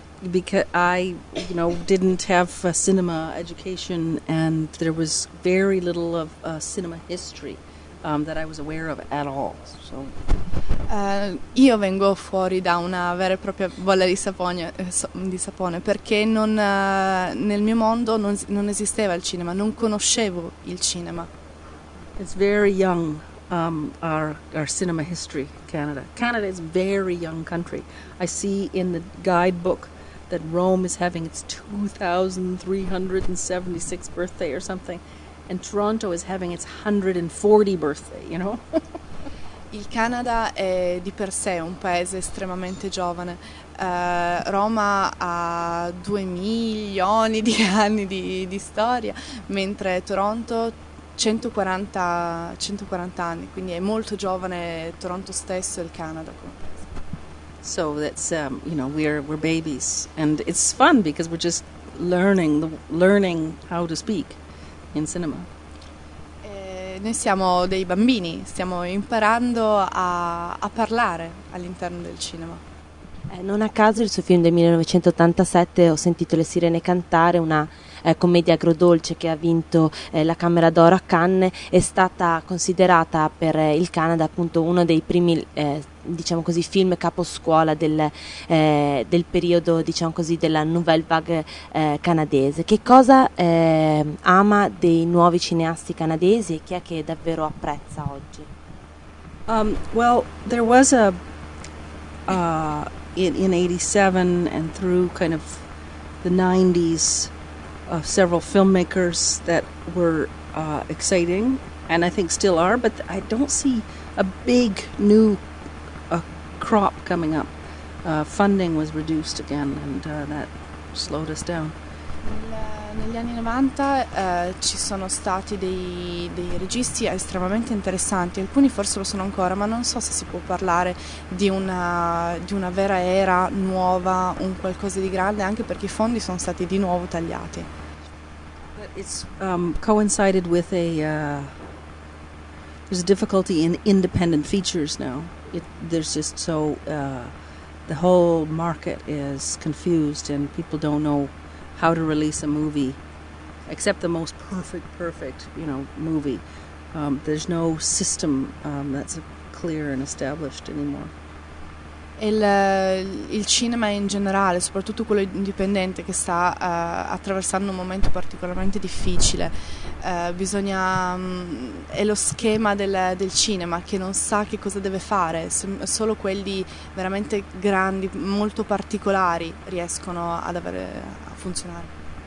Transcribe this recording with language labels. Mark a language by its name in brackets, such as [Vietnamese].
[English] Because I, you know, didn't have a cinema education and there was very little of cinema history. That I was aware of at all. So. [Italian] Io vengo fuori da una vera e propria bolla di sapone perché non, nel mio mondo non esisteva il cinema, non conoscevo il cinema. [English] It's very young, our cinema history, Canada. Canada is a very young country. I see in the guidebook that Rome is having its 2376th birthday or something. And Toronto is having its 140th birthday, you know? [Italian] Il Canada è di per sé un paese estremamente giovane. Roma ha 2 milioni di anni di storia, mentre Toronto 140 anni, quindi è molto giovane Toronto stesso e il Canada come paese. [English] So that's you know, we're babies and it's fun because we're just learning how to speak. In cinema. [Italian] Noi siamo dei bambini, stiamo imparando a parlare all'interno del cinema. Non a caso il suo film del 1987, Ho sentito le sirene cantare, una commedia agrodolce che ha vinto la Camera d'Oro a Cannes, è stata considerata per il Canada appunto uno dei primi diciamo così film caposcuola del periodo diciamo così della nouvelle vague canadese. Che cosa ama dei nuovi cineasti canadesi e chi è che davvero apprezza oggi? [English] Well, there was a in 87 and through kind of the 90s several filmmakers that were exciting and I think still are, but I don't see a big new crop coming up. Funding was reduced again and that slowed us down. [Italian] Negli anni 90 ci sono stati dei registi estremamente interessanti, alcuni forse lo sono ancora, ma non so se si può parlare di una vera era nuova, un qualcosa di grande, anche perché i fondi sono stati di nuovo tagliati. [English] But it's coincided with a there's a difficulty in independent features now. There's just so the whole market is confused and people don't know how to release a movie, except the most perfect, you know, movie. There's no system that's clear and established anymore. [Italian] Il cinema in generale, soprattutto quello indipendente, che sta attraversando un momento particolarmente difficile. È lo schema del cinema che non sa che cosa deve fare, solo quelli veramente grandi, molto particolari riescono a funzionare.